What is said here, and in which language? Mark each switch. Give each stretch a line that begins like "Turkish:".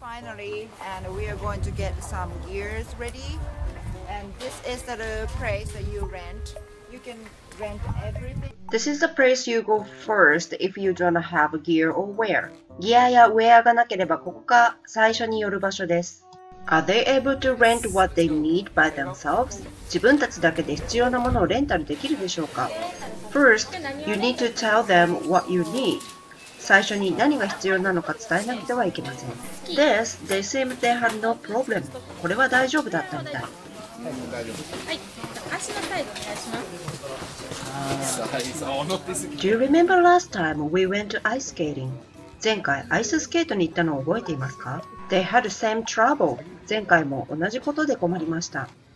English: Finally, and we are going to get some gears ready. And this is the place that you rent. You can rent everything. This is the place you go first if you don't have gear or wear.
Japanese: ギアやウェアがなければここが最初に寄る場所です。
English: Are they able to rent what they need by themselves?
Japanese: 自分たちだけで必要なものをレンタルできるでしょうか?
English: First, you need to tell them what you need.
Japanese: 最初に何が必要なのか伝えなくてはいけません。
English: This, they seem they had no problem.
Japanese: これは大丈夫だったみたい。はい、足のサイズお願いします。
English: Do you remember last time we went to ice skating?
Japanese: 前回アイススケートに行ったのを覚えていますか?
English: They had the same trouble.
Japanese: 前回も同じことで困りました。